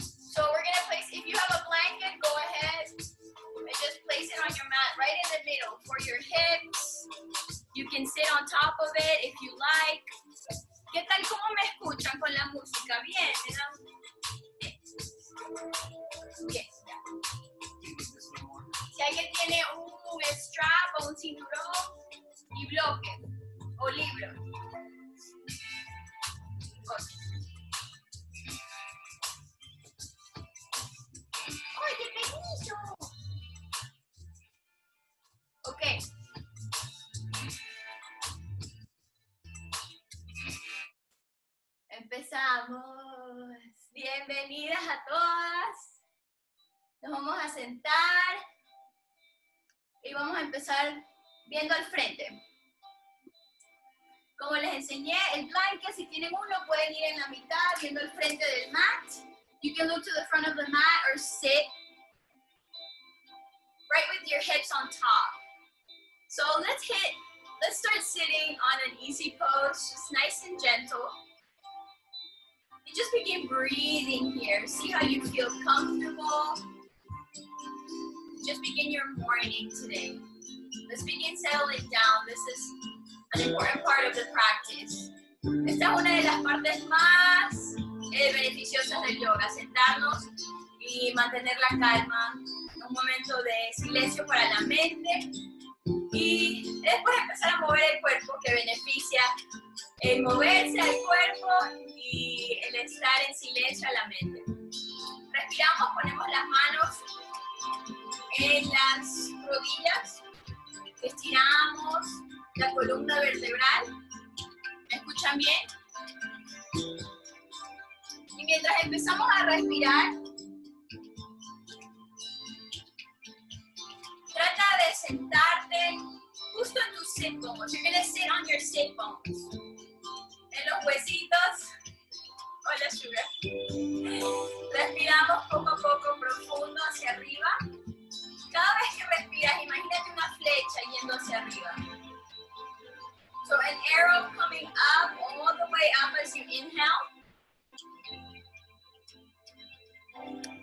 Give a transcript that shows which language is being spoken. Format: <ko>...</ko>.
<en>So we're going to place, if you have a blanket, go ahead and just place it on your mat right in the middle for your hips. You can sit on top of it if you like.</en> <es>¿Qué tal cómo me escuchan con la música? Bien, ¿no? Si alguien tiene un strap o un cinturón y bloque o libro. ¡Oye, qué bonito! Ok. Empezamos. Bienvenidas a todas. Nos vamos a sentar y vamos a empezar viendo al frente. Como les enseñé, el blanket, si tienen uno, pueden ir en la mitad viendo al frente del mat.</es> <en>You can look to the front of the mat or sit right with your hips on top. So let's start sitting on an easy pose, just nice and gentle. You just begin breathing here. See how you feel comfortable. Just begin your morning today. Let's begin settling down. This is an important part of the practice.</en> <es>Esta es una de las partes más beneficiosas del yoga. Sentarnos y mantener la calma. Un momento de silencio para la mente. Y después empezar a mover el cuerpo, que beneficia el moverse al cuerpo y el estar en silencio a la mente. Respiramos, ponemos las manos en las rodillas, estiramos la columna vertebral, ¿me escuchan bien? Y mientras empezamos a respirar, trata de sentarte justo en tus sit bones.</es> <en>You're going to sit on your sit bones.</en> <es>En los huesitos. Hola, sugar. Respiramos poco a poco, profundo, hacia arriba. Cada vez que respiras, imagínate una flecha yendo hacia arriba.</es> <en>So an arrow coming up, all the way up as you inhale.</en>